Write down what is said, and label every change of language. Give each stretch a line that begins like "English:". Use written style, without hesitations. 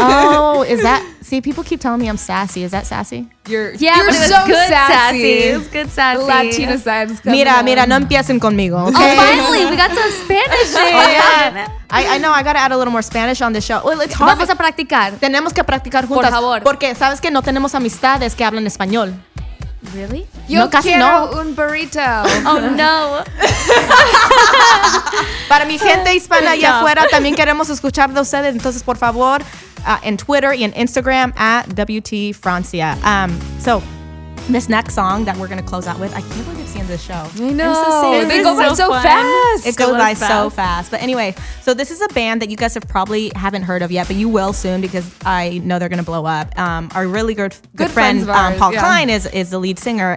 English: Oh, is that... See, people keep telling me I'm sassy. Is that sassy? You're so good sassy. It's good sassy. The Latina side's coming.
Spanish: Mira, no empiecen conmigo.
English: Okay? Oh, finally, we got some Spanish in. I know, I got to add a little more Spanish on this show. Well, it's hard.
Spanish: Vamos a practicar. Tenemos que practicar juntas. Por favor. Porque sabes que no tenemos amistades que hablan español.
English: Really?
Spanish: Yo no, casi quiero no. un burrito.
English: Oh, no.
Spanish: Para mi gente hispana allá afuera, también queremos escuchar de ustedes. Entonces, por favor, en Twitter y en Instagram, @WTFrancia.
English: So, this next song that we're going to close out with, I can't believe it's the end of the show. I know. They go by so fast. It goes by so fast. But anyway, so this is a band that you guys have probably haven't heard of yet, but you will soon because I know they're going to blow up. Our really good friend, Paul Klein, is the lead singer.